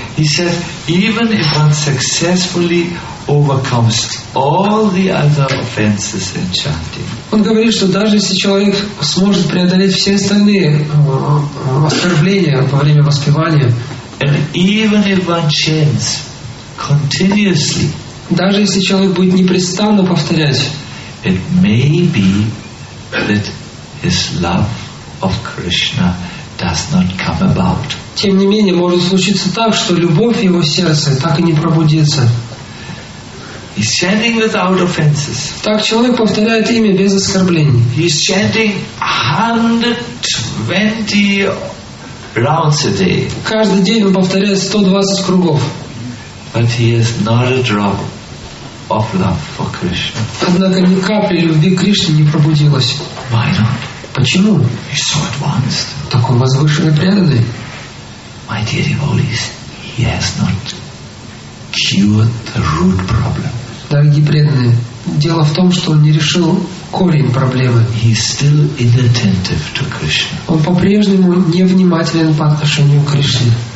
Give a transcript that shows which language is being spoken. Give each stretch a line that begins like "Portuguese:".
English: He said, even if one successfully overcomes all the other offenses in chanting.
Russian: Он говорит, что даже если человек сможет преодолеть все остальные оскорбления во время воспевания,
English: and even if one chants continuously,
Russian: даже если человек будет непрестанно повторять,
English: it may be that his love of Krishna does not come about.
Russian: Тем не менее, может случиться так, что любовь его сердца так и не пробудится.
English: He's chanting without offenses.
Russian: Так человек повторяет имя без оскорблений.
English: He's chanting 120 rounds a day.
Russian: Каждый день он повторяет 120 кругов.
English: But he has not a drop of love for Krishna.
Russian: Однако ни капли любви к Кришне не пробудилось.
English: Why not?
Russian: Почему?
English: He's so advanced.
Russian: Такой возвышенный преданный.
English: My dear devotees, he has not cured the root problem.
Russian: Дорогие преданные, дело в том, что он не решил корень проблемы.
English: He is still inattentive to Krishna.
Russian: Он по-прежнему невнимателен по отношению к Кришне.